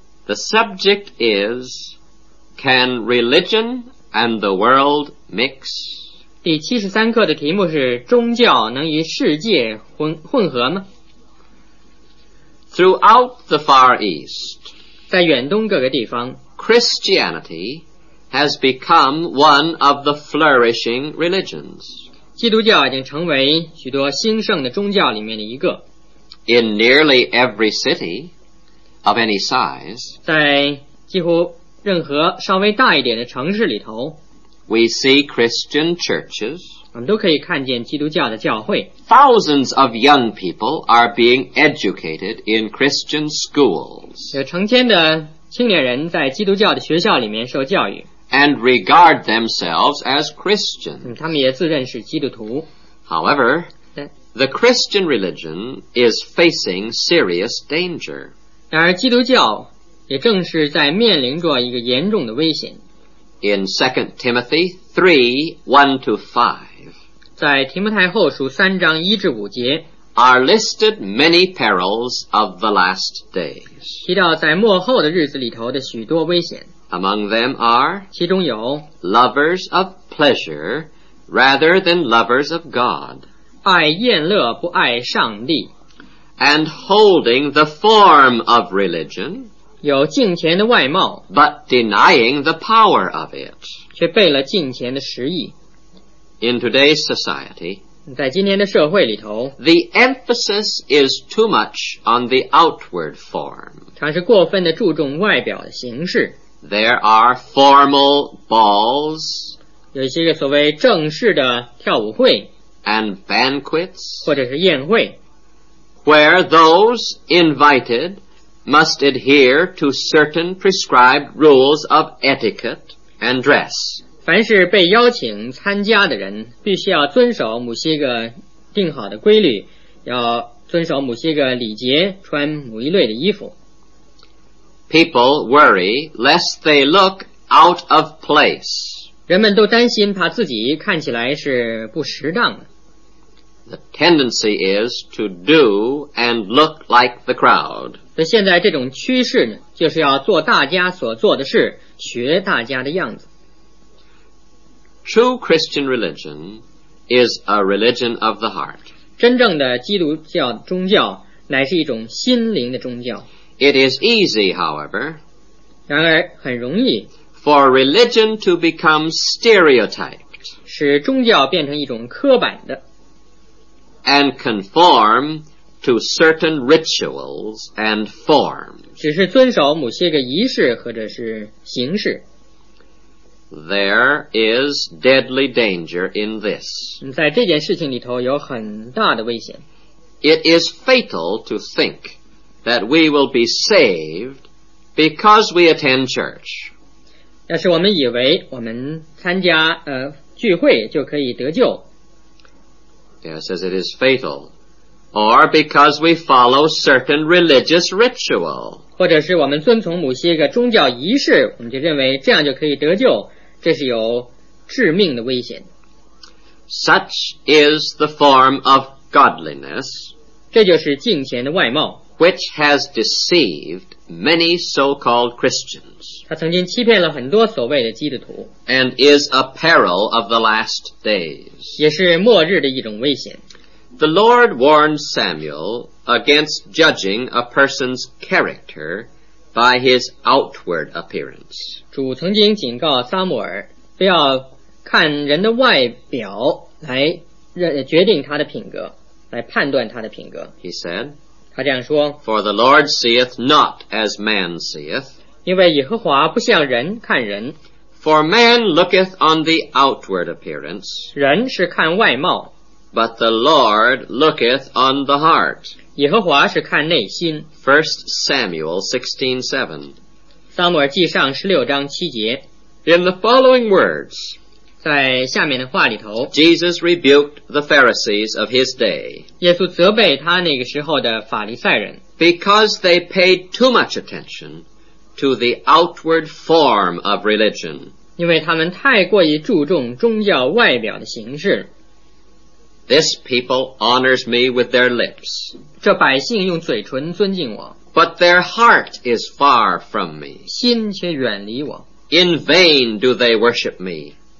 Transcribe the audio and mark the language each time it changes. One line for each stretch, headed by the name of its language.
English: The subject is, Can Religion and the World Mix?
Chinese: 第73课的题目是宗教能与世界 混合吗?
English: Throughout the Far East,
Chinese: 在远东各个地方，
English: Christianity has become one of the flourishing religions.
Chinese: 基督教已经成为许多兴盛的宗教里面的一个。
English: In nearly every city of any size,
Chinese: 在几乎任何稍微大一点的城市里头，
English: we see Christian churches.
Chinese: 我们都可以看见基督教的教会。
English: Thousands of young people are being educated in Christian schools.
Chinese: 有成千的青年人在基督教的学校里面受教育。
English: And regard themselves as Christians.
Chinese: 他们也自认是基督徒。
English: However, the Christian religion is facing serious danger.
Chinese: 然而基督教也正是在面临着一个严重的危险。
English: In 2 Timothy 3:1-5,
Chinese: 在提摩太后书三章一至五节，
English: are listed many perils of the last days.
Chinese: 提到在末后的日子里头的许多危险。
English: Among them are,
Chinese: 其中有
English: lovers of pleasure rather than lovers of God,
Chinese: 爱宴乐不爱上帝，
English: and holding the form of religion,
Chinese: 有敬虔的外貌，
English: but denying the power of it,
Chinese: 却背了敬虔的实意。
English: In today's society,
Chinese: 在今天的社会里头，
English: the emphasis is too much on the outward form,
Chinese: 常是过分地注重外表的形式。
English: There are formal balls,
Chinese: 有些个所谓正式的跳舞会，
English: and banquets,
Chinese: 或者是宴会，
English: where those invited must adhere to certain prescribed rules of etiquette and dress.
Chinese: 凡是被邀请参加的人必须要遵守某些个定好的规律，要遵守某些个礼节，穿某一类的衣服。
English: People worry lest they look out of place.
Chinese: 人们都担心怕自己看起来是不适当的。
English: The tendency is to do and look like the crowd.
Chinese: 所以现在这种趋势呢，就是要做大家所做的事，学大家的样子。
English: True Christian religion is a religion of the heart.
Chinese: 真正的基督教宗教乃是一种心灵的宗教。
English: It is easy, however,
Chinese: 然而很容易，
English: for religion to become stereotyped,
Chinese: 使宗教变成一种刻板的，
English: and conform to certain rituals and forms,
Chinese: 只是遵守某些个仪式或者是形式。
English: There is deadly danger in this.
Chinese: 在这件事情里头有很大的危险。
English: It is fatal to think that we will be saved because we attend church.
Chinese: 要是我们以为我们参加聚会就可以得救。
English: Yes, as it is fatal Or because we follow certain religious ritual.
Chinese: 或者是我们遵从某些一个宗教仪式，我们就认为这样就可以得救，这是有致命的危险。
English: Such is the form of godliness.
Chinese: 这就是敬虔的外貌。
English: Which has deceived many so-called Christians.
Chinese: 他曾经欺骗了很多所谓的基督徒。
English: And is a peril of the last days.
Chinese: 也是末日的一种危险。
English: The Lord warned Samuel against judging a person's character by his outward appearance.
Chinese: 主曾经警告撒母耳，不要看人的外表来决定他的品格，来判断他的品格。
English: He said,
Chinese: 他这样说，
English: For the Lord seeth not as man seeth.
Chinese: 因为耶和华不像人看人。
English: For man looketh on the outward appearance.
Chinese: 人是看外貌。
English: But the Lord looketh on the heart.
Chinese: 耶和华是看内心。
English: 1 Samuel 16:7.
Chinese: 撒母耳记上16章7节。
English: In the following words,
Chinese: 在下面的话里头，
English: Jesus rebuked the Pharisees of his day.
Chinese: 耶稣责备他那个时候的法利赛人。
English: Because they paid too much attention to the outward form of religion.
Chinese: 因为他们太过于注重宗教外表的形式。
English: This people honors me with their lips.
Chinese: 这百姓用嘴唇尊敬我。
English: But their heart is far from me.
Chinese: 心却远离我。
English: In vain do they worship me.